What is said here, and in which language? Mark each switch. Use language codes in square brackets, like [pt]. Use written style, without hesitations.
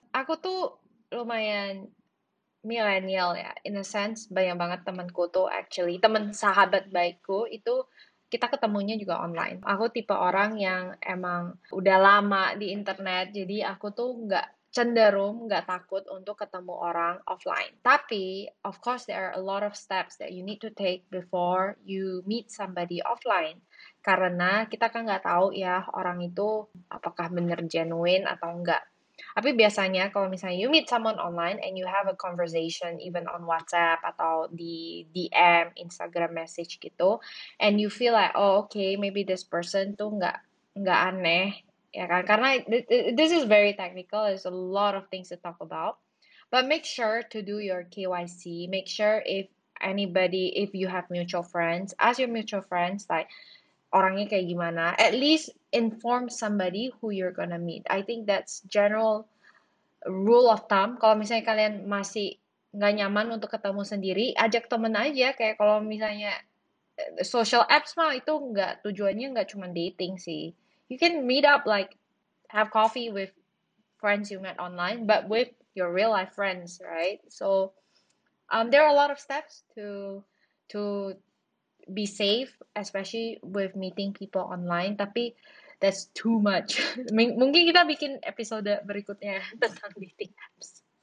[id] Aku tuh lumayan millennial ya, [en] in a sense [id] banyak banget temanku tuh [en] actually, [id] teman sahabat baikku itu kita ketemunya juga online. Aku tipe orang yang emang udah lama di internet, jadi aku tuh nggak cenderung, nggak takut untuk ketemu orang offline. Tapi, [en] of course, there are a lot of steps that you need to take before you meet somebody offline. [id] Karena kita kan nggak tahu ya orang itu apakah benar genuine atau nggak. Tapi biasanya kalau misalnya [en] you meet someone online and you have a conversation even on WhatsApp [id] atau di DM, [en] Instagram message [id] gitu, [en] and you feel like, oh okay, maybe this person [id] tuh nggak aneh, ya kan? Karena [en] this is very technical, there's a lot of things to talk about. But make sure to do your KYC, make sure if anybody, if you have mutual friends, ask your mutual friends, like, [id] orangnya kayak gimana. [en] At least inform somebody who you're gonna meet. I think that's general rule of thumb. [id] Kalau misalnya kalian masih nggak nyaman untuk ketemu sendiri, ajak temen aja. Kayak kalau misalnya social apps mah itu nggak, tujuannya nggak cuma dating sih. [en] You can meet up, like have coffee with friends you met online, but with your real life friends, right? So there are a lot of steps to be safe, especially with meeting people online. [id] Tapi [en] that's too much. [id] Mungkin kita bikin episode berikutnya tentang dating apps.